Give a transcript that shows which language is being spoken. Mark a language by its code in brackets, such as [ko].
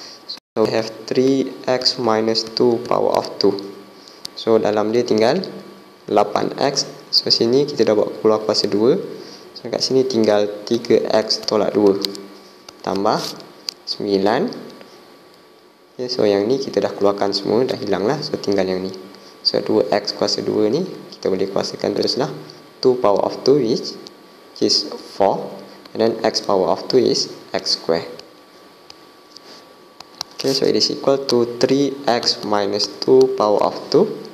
[en] So we have 3x minus 2 power of 2. [ms] So dalam dia tinggal 8x. So sini kita dah bawa keluar kuasa 2. So kat sini tinggal 3x tolak 2 tambah 9. Okay, so yang ni kita dah keluarkan semua, dah hilang lah. So tinggal yang ni. So 2x kuasa 2 ni kita boleh kuasakan teruslah. [en] 2 power of 2 which is 4. And then x power of 2 is x square. Okay, so it is equal to 3x minus 2 power of 2.